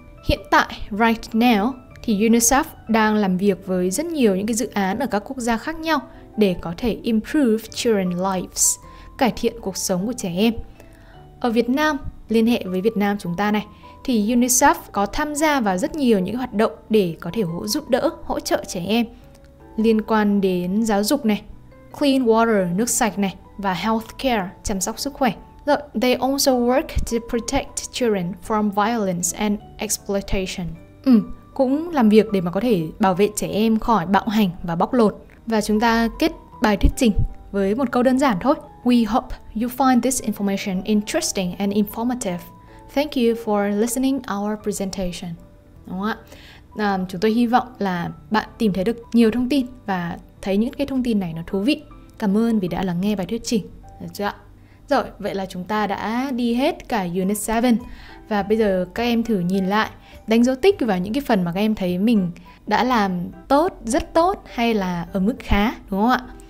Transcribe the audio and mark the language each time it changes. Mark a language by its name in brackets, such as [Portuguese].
[Vietnamese] Hiện tại, [English] right now, [Vietnamese] thì UNICEF đang làm việc với rất nhiều những cái dự án ở các quốc gia khác nhau để có thể [English] improve children's lives, [Vietnamese] cải thiện cuộc sống của trẻ em. Ở Việt Nam, liên hệ với Việt Nam chúng ta này, thì UNICEF có tham gia vào rất nhiều những hoạt động để có thể giúp đỡ, hỗ trợ trẻ em liên quan đến giáo dục này, [English] clean water, [Vietnamese] nước sạch này, và healthcare, chăm sóc sức khỏe. [English] So, they also work to protect children from violence and exploitation. Cũng làm việc để mà có thể bảo vệ trẻ em khỏi bạo hành và bóc lột. [Vietnamese] Và chúng ta kết bài thuyết trình với một câu đơn giản thôi. [English] We hope you find this information interesting and informative. Thank you for listening our presentation. [Vietnamese] Đúng không ạ? Chúng tôi hy vọng là bạn tìm thấy được nhiều thông tin và thấy những cái thông tin này nó thú vị. Cảm ơn vì đã lắng nghe bài thuyết trình. Được chưa ạ? Rồi, vậy là chúng ta đã đi hết cả Unit 7. Và bây giờ các em thử nhìn lại, đánh dấu tích vào những cái phần mà các em thấy mình đã làm tốt, rất tốt hay là ở mức khá, đúng không ạ?